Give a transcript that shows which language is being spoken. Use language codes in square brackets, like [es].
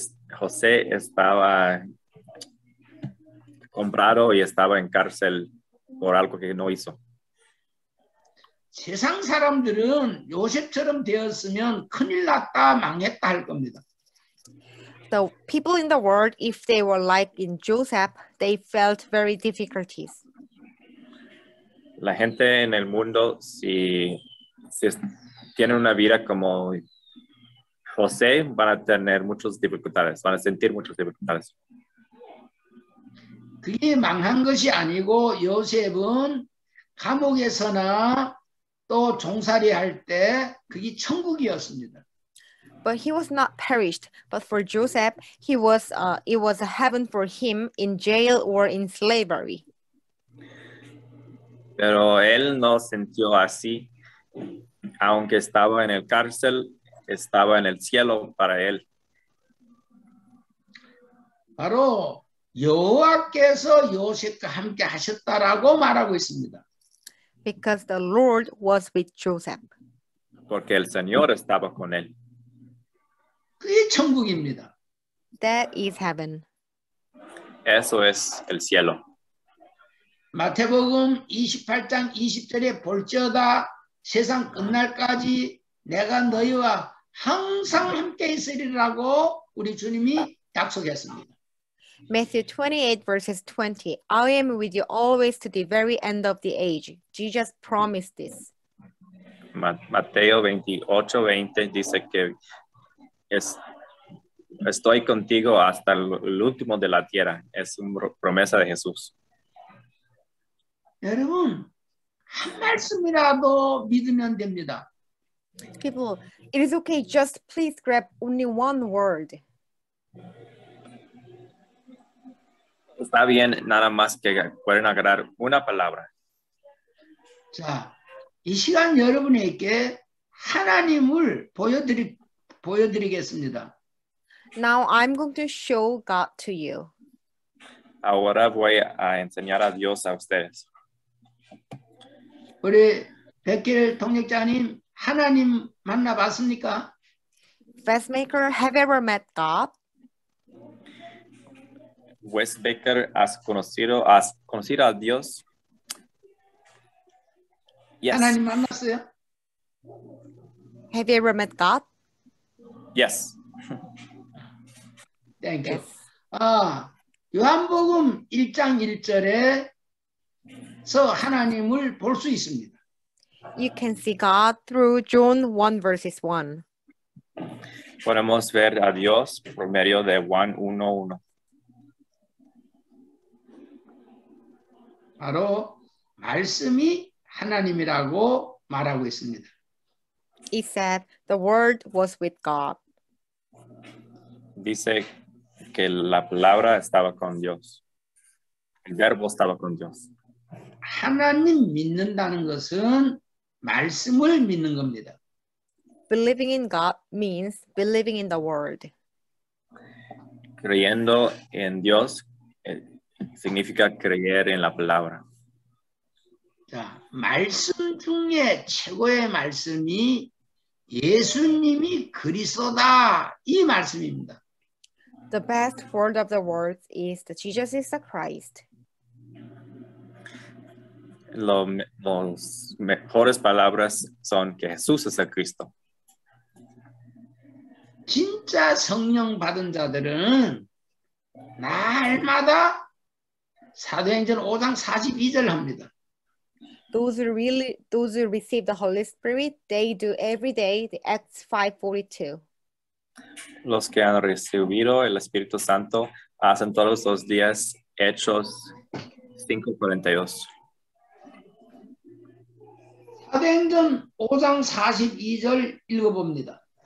[es] José estaba comprado y estaba en cárcel por algo que no hizo. [ko] 세상 사람들은 요셉처럼 되었으면 큰일 났다 망했다 할 겁니다. [en] The people in the world, if they were like in Joseph, they felt very difficulties. [es] La gente en el mundo, si tiene una vida como José, van a tener muchas dificultades, van a sentir muchas dificultades. [ko] 그게 망한 것이 아니고 요셉은 감옥에서나 또 종살이 할 때 그게 천국이었습니다. [en] But he was not perished. But for Joseph, he was it was a heaven for him in jail or in slavery. [es] Pero él no sintió así. Aunque estaba en el cárcel, estaba en el cielo para él. [ko] 바로 여호와께서 요셉과 함께 하셨다라고 말하고 있습니다. [en] Because the Lord was with Joseph. [es] Porque el Señor estaba con él. [ko] 그게 천국입니다. [en] That is heaven. [es] Eso es el cielo. [ko] 마태복음 28장 20절에 볼지어다 세상 끝날까지 내가 너희와 항상 함께 있으리라고 우리 주님이 약속했습니다. [en] Matthew 28 verses 20. I am with you always to the very end of the age. Jesus promised this. [es] Mateo 28:20 dice que estoy contigo hasta el último de la tierra. Es una promesa de Jesús. [ko] 여러분, 한 말씀이라도 믿으면 됩니다. [en] People, it is okay. Just please grab only one word. [es] Está bien, nada más que pueden agarrar una palabra. [ko] 자, 이 시간 여러분에게 하나님을 보여드리겠습니다. [en] Now I'm going to show God to you. [es] Ahora voy a enseñar a Dios a ustedes. [ko] 우리 백길 동역자님, 하나님 만나봤습니까? [en] Best maker, have you ever met God? [es] Wes Baker, ¿has conocido a Dios? [ko] Yes. 하나님 만났어요? [en] Have you ever met God? Yes. Thank you. Yes. [ko] 요한복음 1장 1절에서 하나님을 볼 수 있습니다. [en] You can see God through John 1 verses 1. [es] Podemos ver a Dios por medio de Juan 1:1. [ko] 바로 말씀이 하나님이라고 말하고 있습니다. [en] He said the word was with God. [es] Dice que la palabra estaba con Dios. El verbo estaba con Dios. [ko] 하나님 믿는다는 것은 말씀을 믿는 겁니다. [en] Believing in God means believing in the word. [es] Creyendo en Dios significa creer en la palabra. [ko] 자, 말씀 중에 최고의 말씀이 예수님이 그리스도다 이 말씀입니다. [en] The best word of the world is that Jesus is the Christ. [es] Las mejores palabras son que Jesús es el Cristo. [ko] 진짜 성령 받은 자들은 날마다 사도행전 5장 42절 합니다. [en] Those who receive the Holy Spirit, they do every day the Acts 5:42. [es] Los que han recibido el Espíritu Santo hacen todos los días Hechos 5:42. [ko] 사도행전 5장 42절 읽어봅니다.